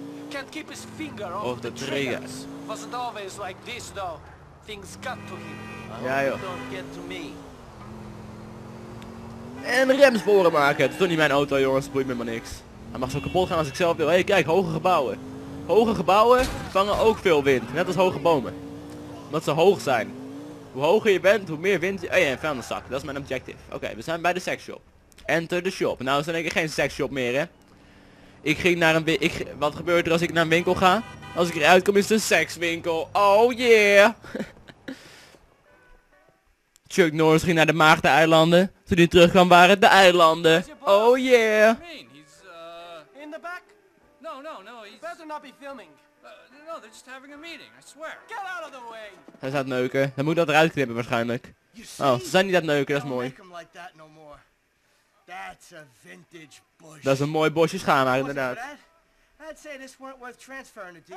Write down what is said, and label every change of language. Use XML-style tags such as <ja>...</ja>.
<en>Can't keep his finger off the trigger. Wasn't always like this though. Things got to him. Don't get to me.</en> <nl>En remsporen maken. Het is toch niet mijn auto, jongens. Het boeit me maar niks. Hij mag zo kapot gaan als ik zelf wil. Hey, kijk, hoge gebouwen. Hoge gebouwen vangen ook veel wind. Net als hoge bomen. Omdat ze hoog zijn. Hoe hoger je bent, hoe meer wind... Hey, en vuilniszak. Dat is mijn objective. Oké, we zijn bij de sexshop.</nl> <en>Enter the shop.</en> <nl>Nou, is er denk ik geen sexshop meer, hè. Ik ging naar een winkel. Wat gebeurt er als ik naar een winkel ga? Als ik eruit kom is het een sekswinkel.</nl> <en>Oh yeah.</en> <nl>Chuck Norris ging naar de Maagdeneilanden. Toen hij terugkwam waren het de eilanden.</nl> <en>Oh yeah. In the back? No, no, no. He's better not be filming. No, they're just having a meeting, I swear. Get out of the way.</en> <nl>Hij staat neuken. Dan moet ik dat eruit knippen waarschijnlijk. Oh, ze zijn niet aan het neuken, dat is mooi.</nl> <en>That's a vintage bush.</en> <nl>Dat is een mooi bosje schaamhaar inderdaad.</nl> <en>I'd say this weren't worth transferring a DVD.</en>